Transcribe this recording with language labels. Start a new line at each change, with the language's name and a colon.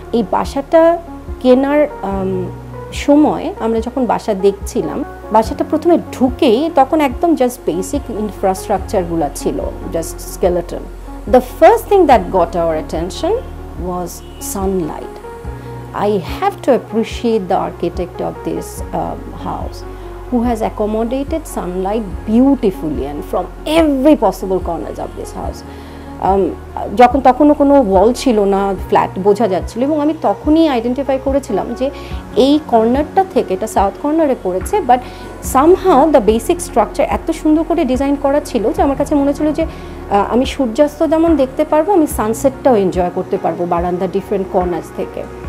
Bangla: এই বাসাটা কেনার সময় আমরা যখন বাসা দেখছিলাম, বাসাটা প্রথমে ঢুকেই তখন একদম জাস্ট বেসিক ইনফ্রাস্ট্রাকচারগুলো ছিল, just skeleton.
English: The first thing that got our attention was sunlight. I have to appreciate the architect of this house, who has accommodated sunlight beautifully and from every possible corners of this house.
Bangla: যখন তখনও কোনো ওয়াল ছিল না, flat বোঝা যাচ্ছিলো, এবং আমি তখনই আইডেন্টিফাই করেছিলাম যে এই কর্নারটা থেকে এটা সাউথ কর্নারে পড়েছে,
English: but somehow the basic structure
Bangla: এত সুন্দর করে ডিজাইন করা ছিল যে আমার কাছে মনে হচ্ছিলো যে আমি সূর্যাস্ত যেমন দেখতে পারবো, আমি সানসেটটাও এনজয় করতে পারবো বারান্দার ডিফারেন্ট কর্নার্স থেকে।